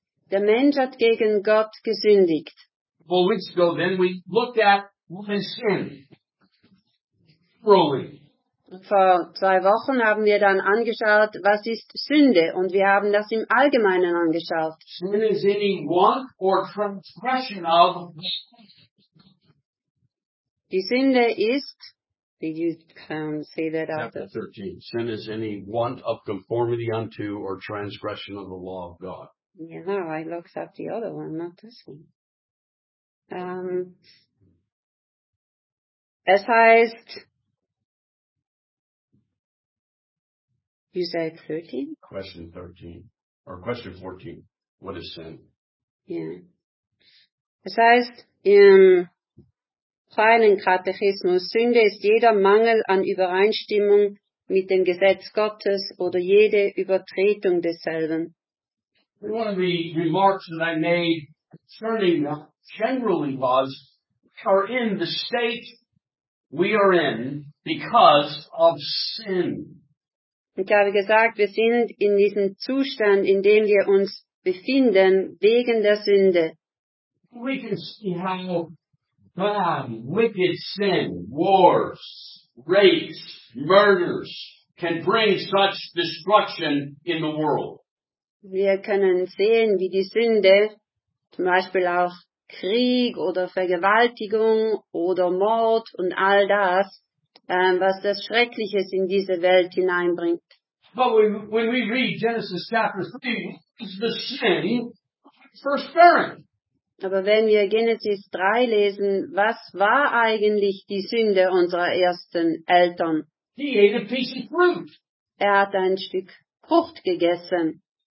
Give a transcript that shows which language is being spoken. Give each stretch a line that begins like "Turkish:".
German: Der Mensch hat gegen Gott gesündigt.
English: Four weeks ago, then we looked at what is sin. Truly.
German: Vor zwei Wochen haben wir dann angeschaut, was ist Sünde, und wir haben das im Allgemeinen angeschaut.
English: Sin is any want or transgression of
German: Die Sünde ist,
English: did you say that after? Chapter 13. Sin is any want of conformity unto or transgression of the law of God. Yeah, no, I looked up the other one, not this one.
German: Es heißt,
English: you said 13? Question 13. Or question 14. What is sin? Yeah.
German: Es heißt, im Freien Katechismus, Sünde ist jeder Mangel an Übereinstimmung mit dem Gesetz Gottes oder jede Übertretung desselben.
English: One of the remarks that I made concerning the generally laws are in the state we are in because of sin.
German: Ich habe gesagt, wir sind in diesem Zustand, in dem wir uns befinden, wegen der Sünde.
English: We can see how bad, wicked sin, wars, rapes, murders can bring such destruction in the world.
German: Wir können sehen, wie die Sünde, zum Beispiel auch Krieg oder Vergewaltigung oder Mord und all das, was das Schreckliches in diese Welt hineinbringt.
English: But when we read Genesis chapter 3, what is the sin of the first parent?
German: Aber wenn wir Genesis 3 lesen, was war eigentlich die Sünde unserer ersten Eltern?
English: He ate a piece of fruit.
German: Er hat ein Stück Frucht gegessen.